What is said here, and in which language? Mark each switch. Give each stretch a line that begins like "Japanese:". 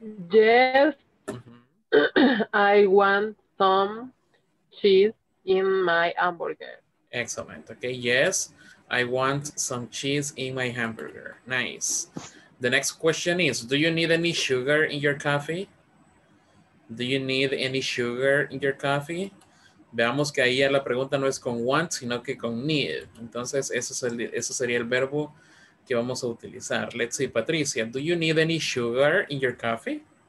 English: Yes. Mm-hmm. I want some cheese in my hamburger. Excellent. Okay. Yes, I want some cheese in my hamburger. Nice. The next question is, do you need any sugar in your coffee? Do you need any sugar in your coffee?
Spanish: Veamos que ahí ya la pregunta no es con want, sino que con need. Entonces, eso sería el verbo que vamos a utilizar.
English: Let's see, Patricia, do you need any sugar in your coffee?